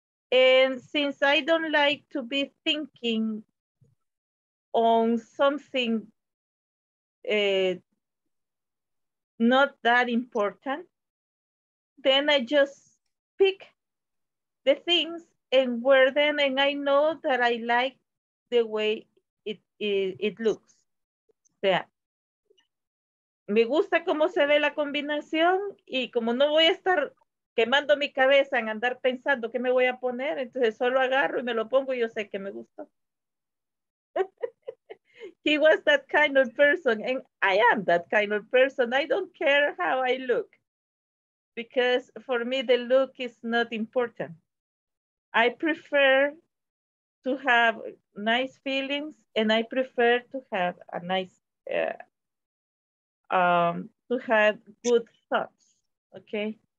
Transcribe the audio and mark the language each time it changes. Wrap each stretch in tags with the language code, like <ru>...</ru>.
<en>And since I don't like to be thinking on something not that important, then I just pick the things and wear them, and I know that I like the way it looks.</en> <es>O sea, me gusta cómo se ve la combinación y como no voy a estar quemando mi cabeza en andar pensando qué me voy a poner, entonces solo agarro y me lo pongo y yo sé que me gustó.</es> <en>He was that kind of person and I am that kind of person. I don't care how I look because for me the look is not important. I prefer to have nice feelings, and I prefer to have a nice, to have good thoughts, okay?</en>